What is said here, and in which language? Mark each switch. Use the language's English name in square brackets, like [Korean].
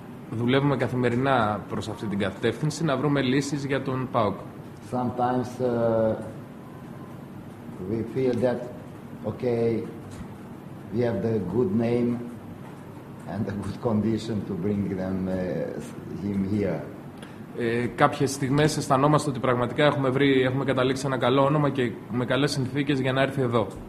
[Greek] Δουλεύουμε καθημερινά προς αυτή την κατεύθυνση, να βρούμε λύσεις για τον ΠΑΟΚ. [English] Sometimes we feel that, okay, we have the good name and the good condition to bring them him here. [Greek] Κάποιες στιγμές αισθανόμαστε ότι πραγματικά έχουμε καταλήξει ένα καλό όνομα και με καλές συνθήκες για να έρθει εδώ.